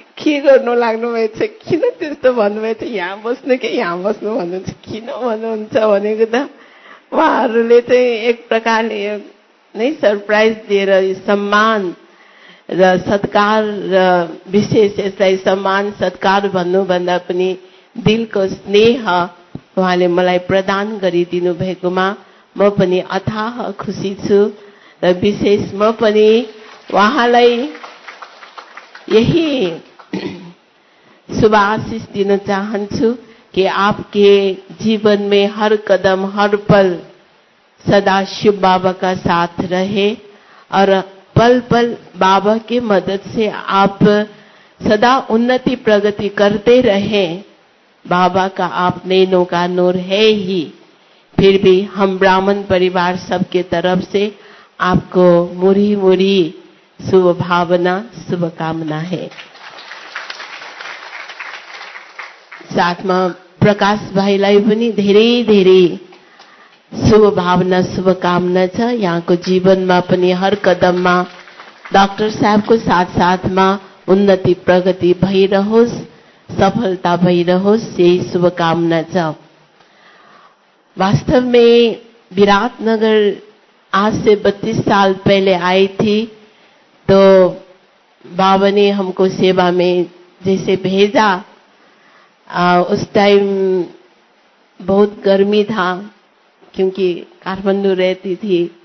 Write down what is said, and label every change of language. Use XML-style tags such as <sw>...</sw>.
<ne>के गर्नु लाग्नु भएछ, किन त्यस्तो भन्नुभएछ, यहाँ बस्नु कि यहाँ बस्नु भन्नुहुन्छ, किन भन्नुहुन्छ भनेको त उहाँहरूले चाहिँ एक प्रकारले नै सरप्राइज दिएर सम्मान र सत्कार र विशेष यसलाई सम्मान सत्कार भन्नुभन्दा पनि दिलको स्नेह उहाँले मलाई प्रदान गरिदिनु भएकोमा म पनि अथाह खुसी छु। र विशेष म पनि उहाँलाई यही शुभाशिष दिन चाहन्छु कि</ne> <hi>आपके जीवन में हर कदम हर पल सदा शिव बाबा का साथ रहे, और पल पल बाबा की मदद से आप सदा उन्नति प्रगति करते रहे। बाबा का आप नैनों का नूर है ही, फिर भी हम ब्राह्मण परिवार सबके तरफ से आपको मुरी मुरी शुभ भावना शुभकामना है।</hi> <ne>साथमा प्रकाश भाइलाई पनि धेरै धेरै शुभ भावना शुभकामना छ। यहाँको जीवनमा पनि हर कदममा डाक्टर साहबको साथ साथमा उन्नति प्रगति भइरहोस्, सफलता भइरहोस्, यही शुभकामना छ।</ne> <hi>वास्तवमै विराटनगर आज से 32 साल पहले आई थी, तो बाबा ने हमको सेवा में जैसे भेजा उस टाइम बहुत गर्मी था क्योंकि काठमांडू रहती थी,</hi>